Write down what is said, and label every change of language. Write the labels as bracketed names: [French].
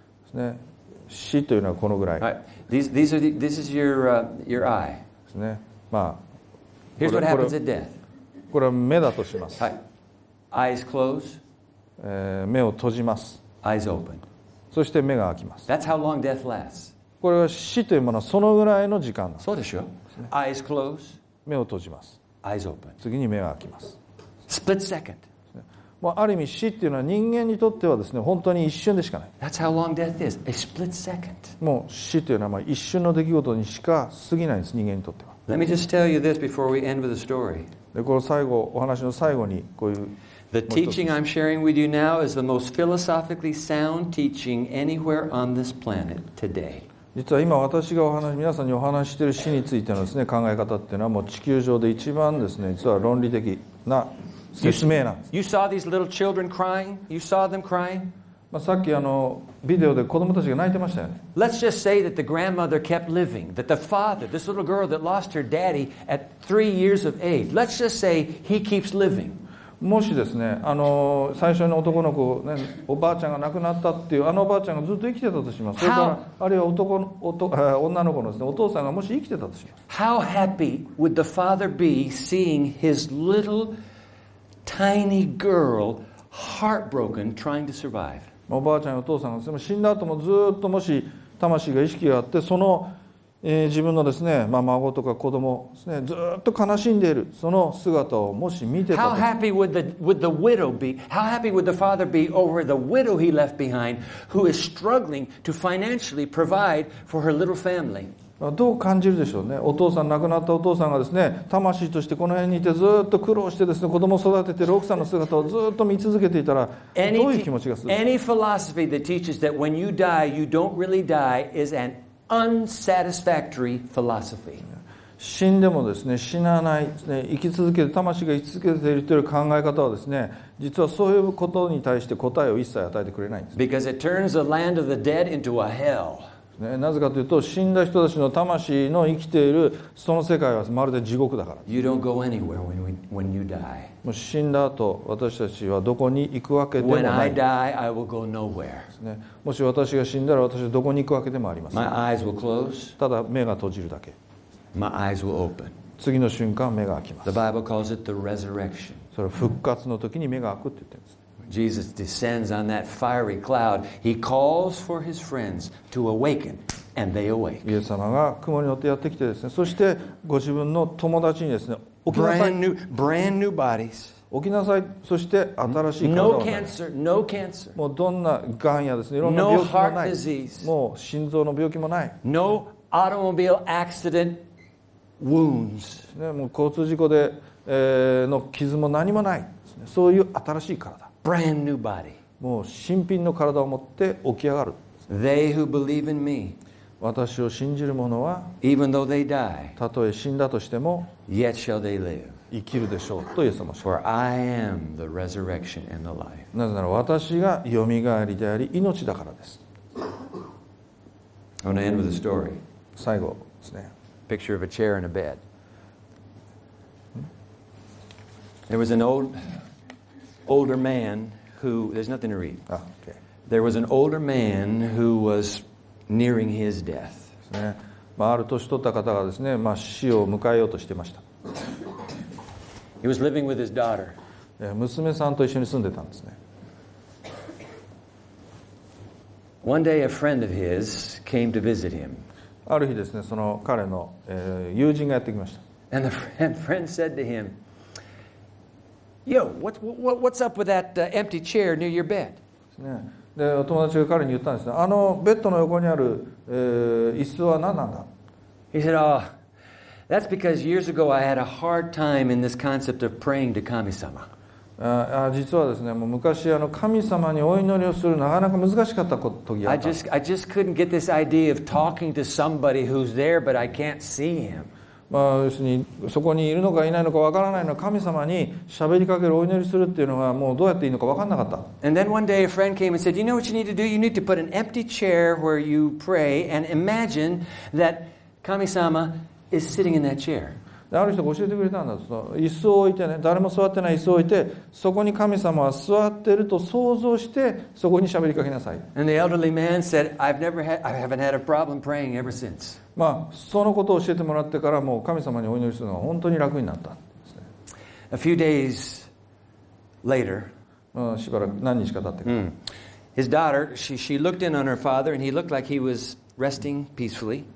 [Japanese] ですね、死というのはこのぐらい。 [English] Right. This is your eye. [Japanese] ですね、まあ。 [English] Here's what happens at death. [Japanese] これは目だとします。 [English] はい。Eyes close. [Japanese] 目を閉じます。 [English] Eyes open. [Japanese] そして目が開きます。 [English] That's how long death lasts. [Japanese] これは死というものはそのぐらいの時間なんです。そうでしょう。 [English] Eyes close. [Japanese] 目を閉じます。 [English] Eyes open. [Japanese] 次に目が開きます。 [English] Split second. [Japanese] もうある意味死っていうのは人間にとってはですね、本当に一瞬でしかない。 [English] That's how long death is. A split second. [Japanese] もう死というのはまあ一瞬の出来事にしか過ぎないんです、人間にとっては。 [English] Let me just tell you this before we end with the story. [Japanese] でこの最後お話の最後にこういう [English] The teaching I'm sharing with you now is the most philosophically sound teaching anywhere on this planet today. [Japanese] 実は今私がお話皆さんにお話している死についてのですね考え方っていうのはもう地球上で一番ですね実は論理的な説明なんです。 [English] You saw these little children crying. You saw them crying. [Japanese] まあ、さっきビデオで子供たちが泣いてましたよね。 [English] Let's just say that the grandmother kept living, that the father, this little girl that lost her daddy at 3 years of age, let's just say he keeps living. [Japanese] もしですね、最初の男の子、ね、おばあちゃんが亡くなったっていう、あのおばあちゃんがずっと生きてたとします。それから、あるいは女の子のですね、お父さんがもし生きてたとします。 [English] How happy would the father be seeing his little tiny girl heartbroken trying to survive? [Japanese] おばあちゃんやお父さんがですね、死んだ後もずっともし魂が意識があって、その、自分のですね、まあ、孫とか子供ですね、ずっと悲しんでいる、その姿をもし見てたと。 [English] How happy would the widow be? How happy would the father be over the widow he left behind, who is struggling to financially provide for her little family? [Japanese] どう感じるでしょうね。お父さん亡くなったお父さんがですね、魂としてこの辺にいてずっと苦労してですね、子供を育てている奥さんの姿をずっと見続けていたらどういう気持ちがする。 [English] Any philosophy that teaches that when you die you don't really die is an unsatisfactory philosophy. [Japanese] 死んでもですね、死なないですね、生き続ける魂が生き続けているという考え方はですね、実はそういうことに対して答えを一切与えてくれないんです。 [English] Because it turns the land of the dead into a hell. [Japanese] ですね。なぜかというと、死んだ人たちの魂の生きているその世界はまるで地獄だから。 [English] You don't go anywhere when you die. [Japanese] もう死んだ後、私たちはどこに行くわけでもない。 [English] When I die, I will go nowhere. [Japanese] ですね。もし私が死んだら、私はどこに行くわけでもありません。 [English] My eyes will close. [Japanese] ただ目が閉じるだけ。 [English] My eyes will open. [Japanese] 次の瞬間目が開きます。 [English] The Bible calls it the resurrection. [Japanese] それ復活の時に目が開くって言ってるんです。 [English] Jesus descends on that fiery cloud. He calls for his friends to awaken, and they awake. [Japanese] イエス様が雲に乗ってやってきてですね、そしてご自分の友達にですね、起きなさい。 [English] Brand new bodies. [Japanese] 起きなさい。そして新しい体を。 [English] No cancer, no cancer. [Japanese] もうどんながんやですね、いろんな病気もない。 [English] No heart disease. [Japanese] もう心臓の病気もない。 [English] No automobile accident wounds. [Japanese] ね、もう交通事故で、の傷も何もないです、ね。そういう新しい体。 [English] Brand new body. [Japanese] もう新品の体を持って起き上がる。 [English] They who believe in me, [Japanese] 私を信じる者は、 [English] even though they die, [Japanese] たとえ死んだとしても、 [English] yet shall they live. [Japanese] 生きるでしょうとイエス様。 [English] For I am the resurrection and the life. [Japanese] なぜなら私がよみがえりであり命だからです。 [English] On the end of the story, [Japanese] 最後ですね。 [English] Picture of a chair and a bed. There was an old. Older man who there's nothing to read. Ah, okay. There was an older man who was nearing his death. [Japanese] ね、まあ、ある年取った方がですね、まあ、死を迎えようとしてました。 [English] He was living with his daughter. [Japanese] 娘さんと一緒に住んでたんですね。 [English] One day a friend of his came to visit him. [Japanese] ある日ですね、その彼の、友人がやってきました。 [English] And the friend said to him. Yo, what's up with that empty chair near your bed? [Japanese] で、お友達が彼に言ったんですね。あのベッドの横にある、椅子は何なんだ? [English] He said, oh, that's because years ago I had a hard time in this concept of praying to 神様. [Japanese] 実はですね、もう昔あの神様にお祈りをするなかなか難しかった時があった。 [English] I just couldn't get this idea of talking to somebody who's there but I can't see him. [Japanese] まあ、要するにそこにいるのかいないのかわからないのか神様に喋りかけるお祈りするっていうのがもうどうやっていいのかわからなかった。 [English] And then one day a friend came and said, You know what you need to do? You need to put an empty chair where you pray and imagine that 神様 is sitting in that chair. [Japanese] ある人が教えてくれたんだ。その椅子を置いてね、誰も座ってない椅子を置いて、そこに神様は座ってると想像してそこに喋りかけなさい。 [English] And the elderly man said, I haven't had a problem praying ever since. [Japanese] まあ、そのことを教えてもらってからもう神様にお祈りするのは本当に楽になったんですね。 [English] A few days later, [Japanese] まあ、しばらく何日か経ってから、 [English] His daughter, she looked in on her father and he looked like he was resting peacefully.